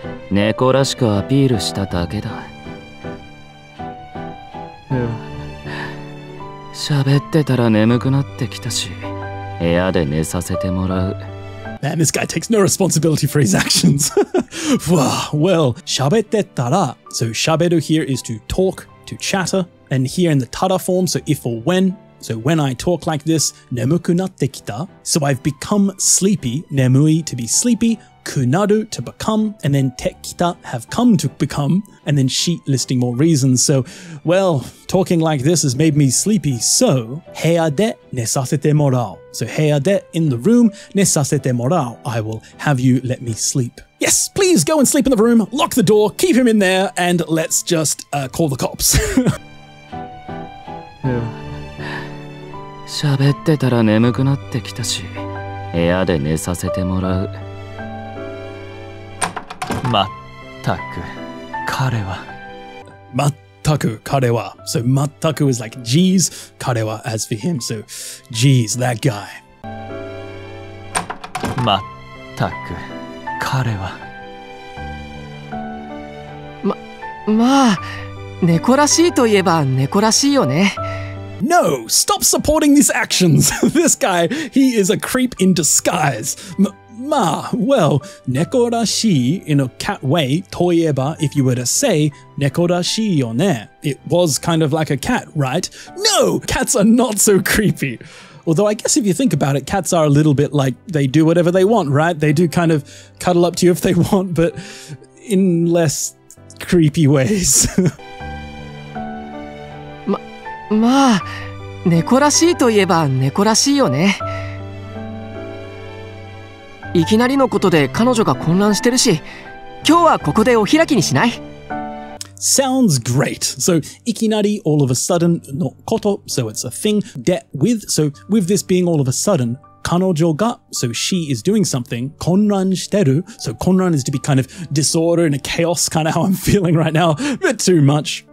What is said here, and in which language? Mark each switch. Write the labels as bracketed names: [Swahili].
[Japanese] 猫らしくアピールしただけだ。喋ってたら眠くなってきたし、部屋で寝させてもらう。 [English] Man, this guy takes no responsibility for his actions. Well, shabete tara. So shabedo here is to talk, to chatter. And here in the tara form, so if or when. So when I talk like this, nemuku natte kita. So I've become sleepy, nemui to be sleepy, kunaru to become, and then te kita have come to become. And then she listing more reasons. So, well, talking like this has made me sleepy. So, heya de nesasete morau. So heya de in the room, nesasete morau. I will have you let me sleep. Yes, please go and sleep in the room. Lock the door, keep him in there, and let's just call the cops. [Japanese] 喋ってたら眠くなってきたし、部屋で寝させてもらう。まったく、彼は。まったく、彼は。 [English] So, まったく is like, geez, 彼は as for him. So, geez, that guy. [Japanese] まったく、彼は。まあ、猫らしいといえば猫らしいよね。 [English] No! Stop supporting these actions! This guy, he is a creep in disguise. Neko rashii in a cat way, toieba, if you were to say, neko rashii yo ne. It was kind of like a cat, right? No! Cats are not so creepy. Although I guess if you think about it, cats are a little bit like, they do whatever they want, right? They do kind of cuddle up to you if they want, but in less creepy ways. [Japanese] まあ、猫らしいといえば猫らしいよね。いきなりのことで彼女が混乱してるし、今日はここでお開きにしない？ [English] Sounds great. So, [Japanese] いきなり [English] all of a sudden のこと、so it's a thing, で with, so with this being all of a sudden,彼女が so she is doing something, [Japanese] 混乱してる [English] so 混乱 is to be kind of disorder and a chaos, kind of how I'm feeling right now, but too much.